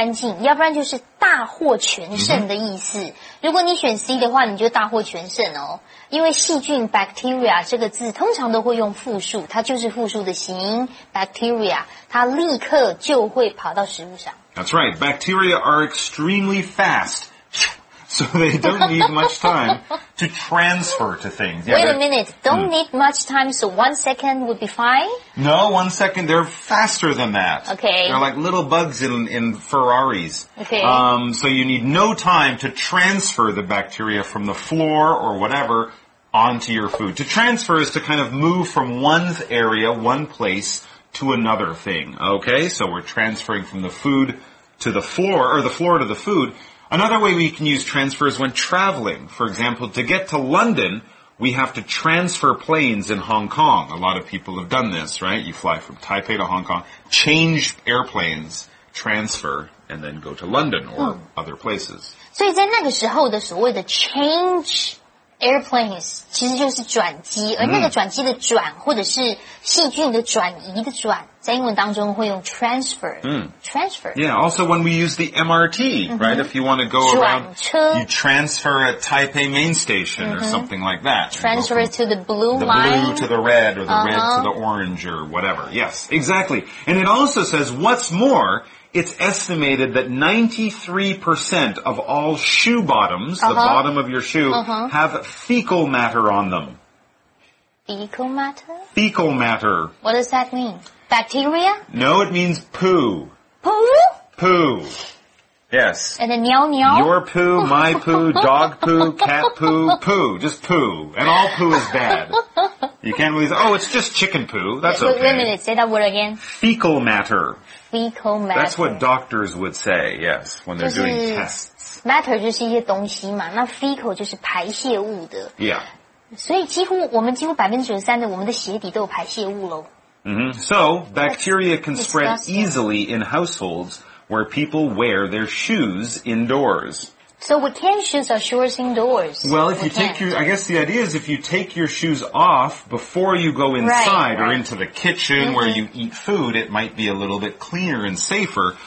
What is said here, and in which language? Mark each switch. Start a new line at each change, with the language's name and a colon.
Chinese: 所以真的有字面上的意思就是清干净，要不然就是大获全胜的意思。如果你选C的话，你就大获全胜哦。因为细菌 bacteria 这个字通常都会用复数，它就是复数的形 bacteria， 它立刻就会跑到食物上。
English: That's right. Bacteria are extremely fast. So they don't need much time to transfer to things. Yeah, wait a minute. Don't need much time, so 1 second would be fine? No, 1 second. They're faster than that. Okay. They're like little bugs in Ferraris. Okay. So you need no time to transfer the bacteria from the floor or whatever onto your food. To transfer is to kind of move from one's area, one place, to another thing. Okay? So we're transferring from the food to the floor, or the floor to the food. Another way we can use transfer is when traveling. For example, to get to London, we have to transfer planes in Hong Kong. A lot of people have done this, right? You fly from Taipei to Hong Kong, change airplanes, transfer, and then go to London or other places.
Chinese: 所以在那个时候的所谓的
English: change airplanes
Chinese: 其实就是转机, 而那个转机的转或者是细菌的转移的转, 在英文当中会用 transfer.
English: Transfer. Yeah, also when we use the MRT, right? If you want to go
Chinese: 转车,
English: around, you transfer at Taipei Main Station or something like that. Transfer to the blue the line. The blue to the red or the red to the orange or whatever. Yes, exactly. And it also says, what's more, it's estimated that 93% of all shoe bottoms, the bottom of your shoe, have fecal matter on them. Fecal matter? Fecal matter. What does that mean? Bacteria? No, it means poo. Poo? Poo. Yes. And then meow meow? Your poo, my poo, dog poo, cat poo, poo. Just poo. And all poo is bad. You can't really say, oh, it's just chicken poo. That's okay. Wait a minute, say that word again. Fecal matter. Fecal matter. That's what doctors would say, yes, when they're doing tests.
Chinese: Matter 就是一些东西嘛，那 fecal 就是排泄物的。
English: Yeah.
Chinese: 所以几乎我们 93%的我们的鞋底都有排泄物喽。 Mm-hmm.
English: So, bacteria can spread easily in households where people wear their shoes indoors. So we can choose our shoes indoors. Well, if you take your, I guess the idea is if you take your shoes off before you go inside or into the kitchen where you eat food, it might be a little bit cleaner and safer.